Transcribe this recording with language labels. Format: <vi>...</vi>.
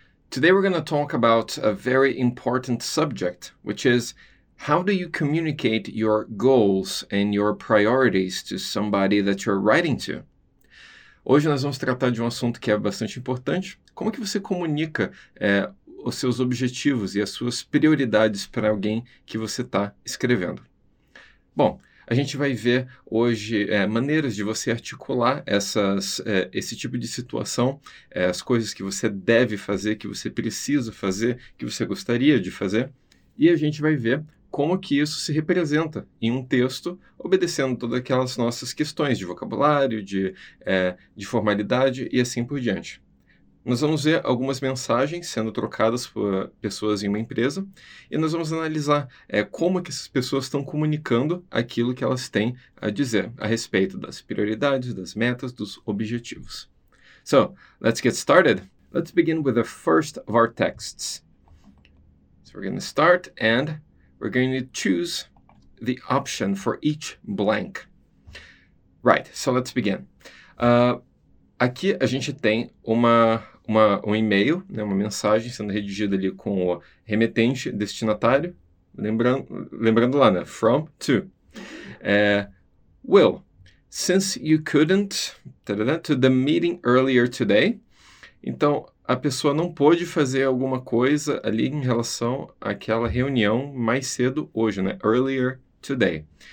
<en>Today we're going to talk about a very important subject, which is how do you communicate your goals and your priorities to somebody that you're writing to?</en> <pt>Hoje nós vamos tratar de um assunto que é bastante importante. Como é que você comunica os seus objetivos e as suas prioridades para alguém que você está escrevendo? Bom, a gente vai ver hoje maneiras de você articular esse tipo de situação, as coisas que você deve fazer, que você precisa fazer, que você gostaria de fazer, e a gente vai ver como que isso se representa em um texto, obedecendo todas aquelas nossas questões de vocabulário, de formalidade e assim por diante. Nós vamos ver algumas mensagens sendo trocadas por pessoas em uma empresa e nós vamos analisar como que essas pessoas estão comunicando aquilo que elas têm a dizer a respeito das prioridades, das metas, dos objetivos.</pt> <en>So, let's get started. Let's begin with the first of our texts. So we're going to start and we're going to choose the option for each blank. Right, so let's begin.</en> <pt>Aqui a gente tem um e-mail, né, uma mensagem sendo redigida ali com o remetente, destinatário, lembrando lá, né,</pt> <en>from to. Will, since you couldn't to the meeting earlier today,</en> <pt>então a pessoa não pôde fazer alguma coisa ali em relação àquela reunião mais cedo hoje, né,</pt> <en>earlier today.</en>